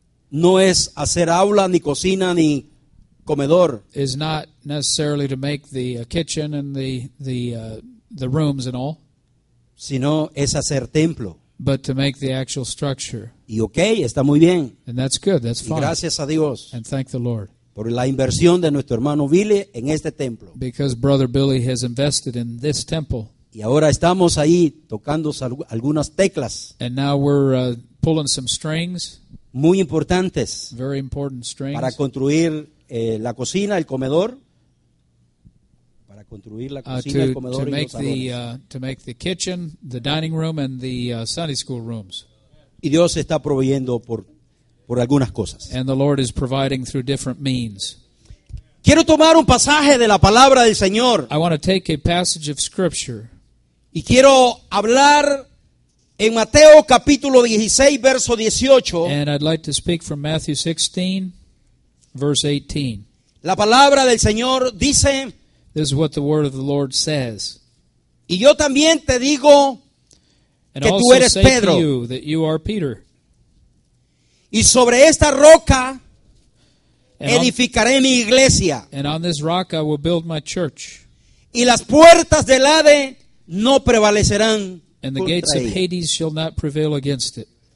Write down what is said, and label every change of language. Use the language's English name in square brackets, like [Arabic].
[Spanish] no es hacer aula, ni cocina, ni comedor. [English] Is not necessarily to make the kitchen and the rooms and all. [Spanish] Sino es hacer templo. [English] But to make the actual structure. [Spanish] Y okay, está muy bien. [English] And that's good, that's fine. [Spanish] Y gracias a Dios. [English] And thank the Lord. [Spanish] Por la inversión de nuestro hermano Billy en este templo. [English] Because Brother Billy has invested in this temple. [Spanish] Y ahora estamos ahí tocando algunas teclas. [English] And now we're pulling some strings. [Spanish] Muy importantes. [English] Very important strings. [Spanish] Para construir la cocina, el comedor. Para construir la cocina, el comedor y los salones. [English] To make the kitchen, the dining room, and the Sunday school rooms. [Spanish] Y Dios está proveyendo por algunas cosas. [English] And the Lord is providing through different means. [Spanish] Quiero tomar un pasaje de la palabra del Señor. [English] I want to take a passage of scripture. [Spanish] Y quiero hablar en Mateo capítulo 16, verso 18. [English] And I'd like to speak from Matthew 16, verse 18. [Spanish] La palabra del Señor dice. [English] This is what the word of the Lord says. [Spanish] Y yo también te digo que tú eres Pedro. [English] And also say to you that you are Peter. [Spanish] Y sobre esta roca edificaré mi iglesia. [English] And on this rock I will build my church. [Spanish] Y las puertas del Hade no prevalecerán. [English] And the gates of Hades shall not prevail against it.